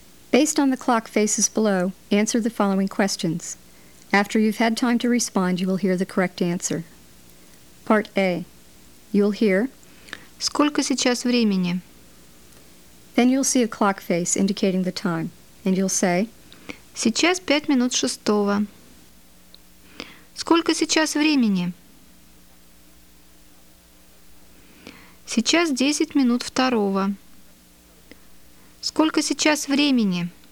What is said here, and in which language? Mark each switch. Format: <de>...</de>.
<en>Based on the clock faces below, answer the following questions. After you've had time to respond, you will hear the correct answer. Part A. You'll hear...</en> <ru>Сколько сейчас времени?</ru> <en>Then you'll see a clock face indicating the time, and you'll say...</en> <ru>Сейчас 5:05. Сколько сейчас времени? Сейчас 2:10. Сколько сейчас времени?</ru>